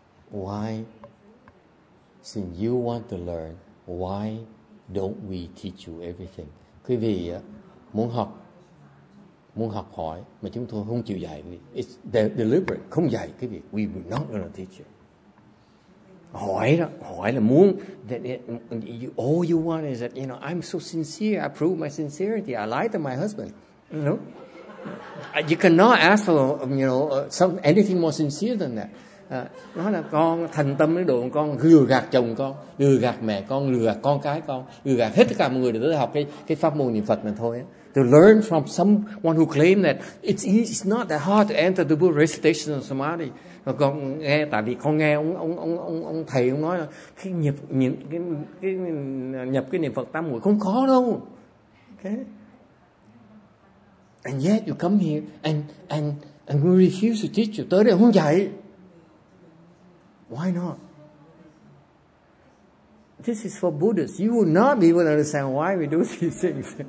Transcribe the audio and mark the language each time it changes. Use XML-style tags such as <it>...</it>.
<en>Why, since you want to learn, why don't we teach you everything?</en> <vi>Quý vị muốn học hỏi mà chúng tôi không chịu dạy.</vi> <en>It's deliberate,</en> <vi>không dạy quý vị.</vi> <en>We will not gonna teach you.</en> <vi>Hỏi là muốn.</vi> <en>All you want is that, you know, I'm so sincere. I prove my sincerity. I lied to my husband. No. You cannot ask for, you know, anything more sincere than that.</en> <vi>Nó là con thành tâm đến độ con lừa gạt chồng con, lừa gạt mẹ con, lừa gạt con cái con, lừa gạt hết tất cả mọi người để tới học cái pháp môn niệm Phật này thôi.</vi> <en>To learn from someone who claim that it's not that hard to enter the Buddha recitation of samadhi.</en> <vi>Mà con nghe, tại vì con nghe ông thầy ông nói là khi nhập cái niệm Phật tam muội không khó đâu.</vi> <en>Okay. And yet you come here and we refuse to teach you.</en> <vi>Tới đây không dạy.</vi> <en>Why not? This is for Buddhists. You will not be able to understand why we do these things.</en>